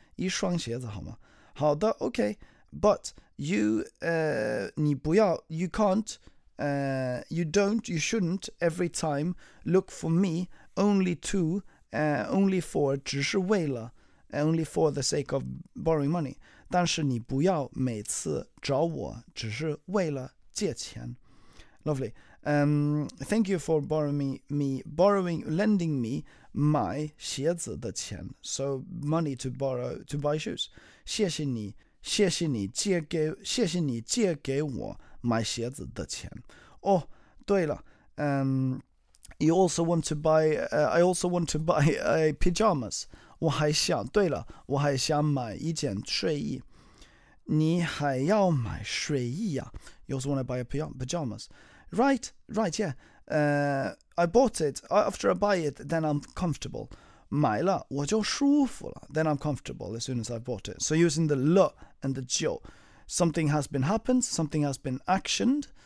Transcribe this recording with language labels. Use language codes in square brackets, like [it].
[zh] 一双鞋子好吗？好的 ，okay. [en] But you, [zh] 你不要 [en] ，you can't, you don't, you shouldn't every time look for me only to, only for, [zh] 只是为了 [en] only for the sake of borrowing money. [zh] 但是你不要每次找我，只是为了借钱。 [en] Lovely. Thank you for lending me my [zh] 鞋子的钱 [en] so money to borrow to buy shoes. [zh] 谢谢你，谢谢你借给，谢谢你借给我买鞋子的钱。哦，对了， [en] you also want to buy, I also want to buy a pajamas. [zh] 我还想，对了，我还想买一件睡衣。你还要买睡衣呀？ [en] You also want to buy a pajamas. Right, yeah. I bought it. After I buy it, then I'm comfortable. [zh] 买了我就舒服了 [en] Then I'm comfortable as soon as I've bought it. So using the 了 and the 就 Something has been happened, something has been actioned.